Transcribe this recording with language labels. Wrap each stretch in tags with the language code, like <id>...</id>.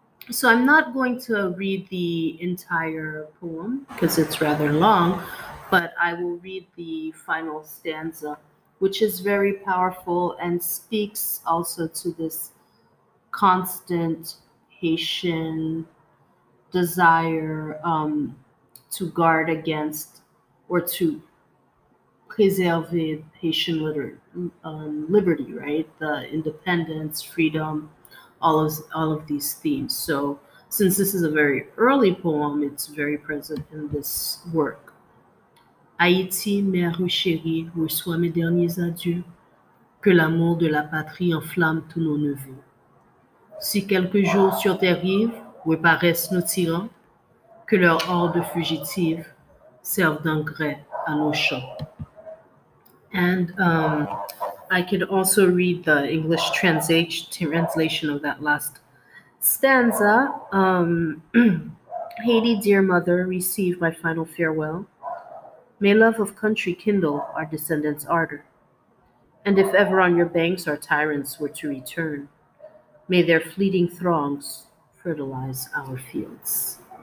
<en>So I'm not going to read the entire poem because it's rather long, but I will read the final stanza, which is very powerful and speaks also to this constant Haitian desire to guard against or to preserve Haitian liberty, right? The independence, freedom, all of these themes. So since this is a very early poem, it's very present in this work.</en> <fr>Haïti, mère chérie, reçois mes derniers adieux. Que l'amour de la patrie enflamme tous nos neveux. Si quelques jours sur tes rives reparaissent nos tyrans, que leur horde fugitive serve d'engrais à nos champs.</fr> <en>And I could also read the English translation of that last stanza. Haiti, dear mother, receive my final farewell. May love of country kindle our descendants' ardor. And if ever on your banks our tyrants were to return, may their fleeting throngs fertilize our fields.</en>